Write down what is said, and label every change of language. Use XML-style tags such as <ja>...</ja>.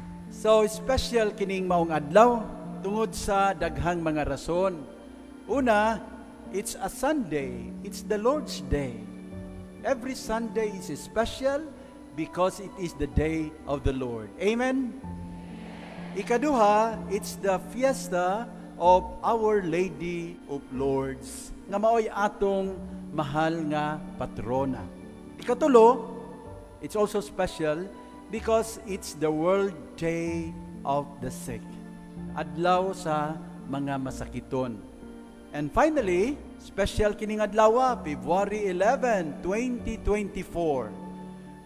<ceb>So special kining maong adlaw tungod sa daghang mga rason.</ceb> <en>Una, it's a Sunday. It's the Lord's Day. Every Sunday is special because it is the day of the Lord. Amen. Ikaduha, it's the fiesta of Our Lady of Lourdes</en> <ceb>nga maoy atong mahal nga patrona.</ceb> <en>Ikatulo, it's also special because it's the World Day of the Sick.</en> <ceb>Adlaw sa mga masakiton.</ceb> <en>And finally,</en> <ceb>special kining adlawa, February 11, 2024.</ceb>